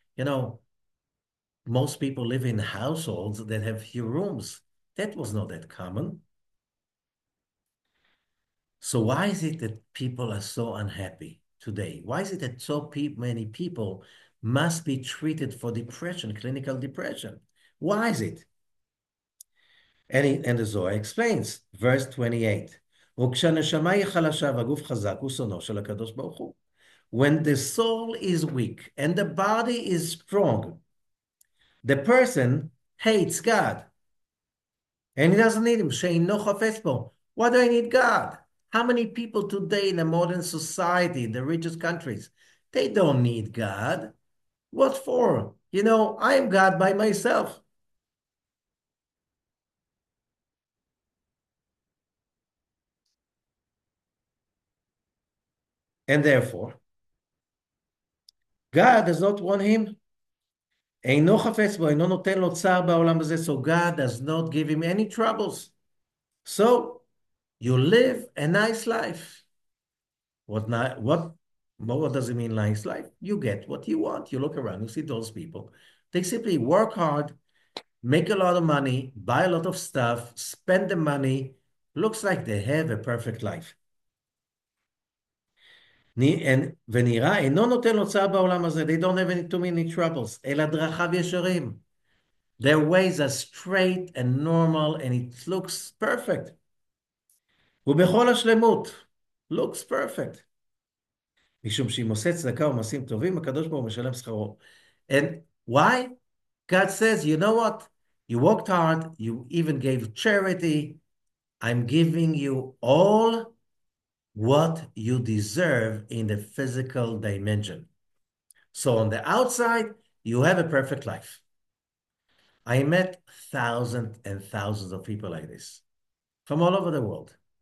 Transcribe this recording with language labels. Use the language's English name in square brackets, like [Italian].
[English] You know, most people live in households that have few rooms. That was not that common. So why is it that people are so unhappy today? Why is it that so many people must be treated for depression, clinical depression? Why is it? And the Zohar explains, verse 28, [Hebrew] וכשהנשמה היא חלשה והגוף חזק הוא שונו של הקדוש ברוך הוא. [English] When the soul is weak and the body is strong, the person hates God. And he doesn't need him. [Hebrew] שאינו חפץ בו. [English] Why do I need God? How many people today in a modern society, in the richest countries, they don't need God? What for? You know, I am God by myself. And therefore, God does not want him. [Hebrew] Eino chafetz bo, eino noten lo tzar ba'olam hazeh. [English] So God does not give him any troubles. So you live a nice life. What does it mean, nice life? You get what you want. You look around, you see those people. They simply work hard, make a lot of money, buy a lot of stuff, spend the money. Looks like they have a perfect life. [Hebrew] ונראה, אינו נותן לו צער בעולם הזה. [English] They don't have too many troubles. [Hebrew] אלא דרכיו ישרים. [English] Their ways are straight and normal, and it looks perfect. [Hebrew] ובכל השלמות, [English] looks perfect. [Hebrew] משום שאם עושה צדקה ומעשים טובים, הקדוש ברוך הוא משלם שכרו. [English] And why? God says, you know what? You worked hard, you even gave charity. I'm giving you all what you deserve in the physical dimension. So on the outside, you have a perfect life. I met thousands and thousands of people like this from all over the world.